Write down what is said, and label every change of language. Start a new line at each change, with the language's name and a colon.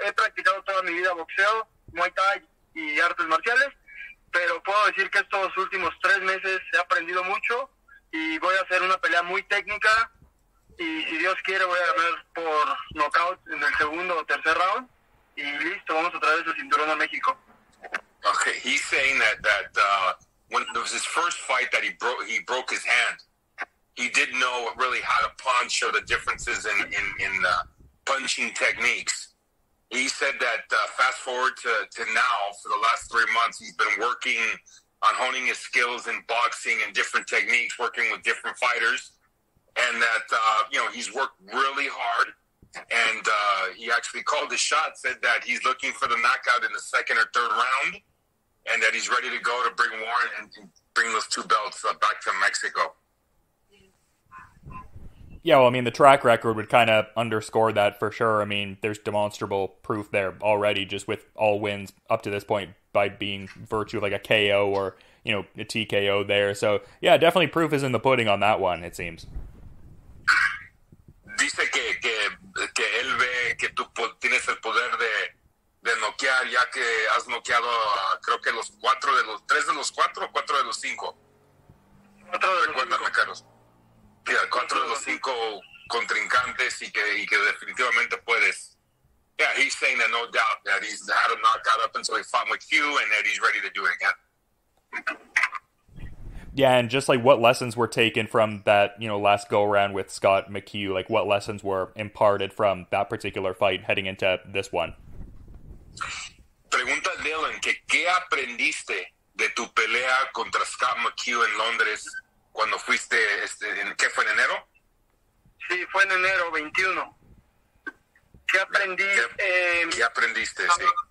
Spanish: He practicado toda mi vida boxeo, Muay Thai y artes marciales. Pero puedo decir que estos últimos 3 meses he aprendido mucho y voy a hacer una pelea muy técnica y si Dios quiere voy a ganar por knockout en el segundo o tercer round y listo, vamos a traer ese cinturón a México.
English: Okay, he's saying that when it was his first fight that he broke his hand, he didn't know really how to punch or the differences in punching techniques. He said that fast forward to now, for the last 3 months, he's been working on honing his skills in boxing and different techniques, working with different fighters, and that, you know, he's worked really hard, and he actually called the shot, said that he's looking for the knockout in the second or third round, and that he's ready to go to bring Warren and bring those two belts back to Mexico. Yeah, well, I mean, the track record would kind of underscore that for sure. I mean, there's demonstrable proof there already just with all wins up to this point by being virtue of like a KO or, you know, a TKO there. So, yeah, definitely proof is in the pudding on that one, it seems.
Spanish: Dice que él ve que tú tienes el poder de noquear ya que has noqueado, creo que los cuatro de los, tres de los cuatro o cuatro de los cinco. Recuérdame, Carlos.
English: Yeah, 4 of the 5
Spanish: contrincantes y que definitivamente puedes.
English: Yeah, he's saying that no doubt that he's had a knockout up until he fought with you and that he's ready to do it again. Yeah, and just like what lessons were taken from that, you know, last go around with Scott McHugh, like what lessons were imparted from that particular fight heading into this one?
Spanish: Pregunta Dylan, ¿qué aprendiste de tu pelea contra Scott McHugh en Londres? Cuando fuiste, ¿qué fue, en enero? Sí, fue en enero 21. ¿Qué aprendí? ¿Qué aprendiste? Sí.